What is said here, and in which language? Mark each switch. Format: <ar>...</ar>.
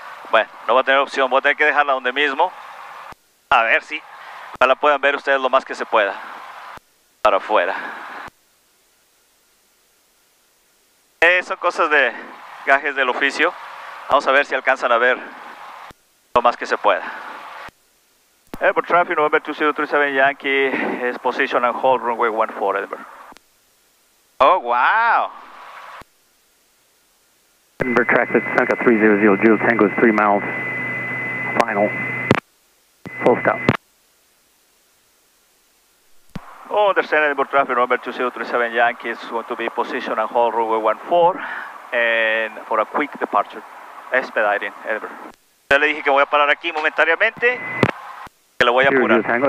<es>Bueno, no va a tener opción, voy a tener que dejarla donde mismo. A ver si la puedan ver ustedes lo más que se pueda. Para afuera. Son cosas de gajes del oficio. Vamos a ver si alcanzan a ver lo más que se pueda.</es> <en>Edinburgh Traffic, November 2037 Yankee, is position and hold runway 14, Edinburgh. Oh, wow! Edinburgh Traffic, Seneca 300, Jules Tango is 3 miles. Final. Full stop. Oh, understand Edinburgh Traffic, November 2037 Yankee, is going to be position and hold runway 14, and for a quick departure. Expediting, Edinburgh.</en> <es>Ya le dije que voy a parar aquí momentáneamente. Que lo voy a apurar.</es>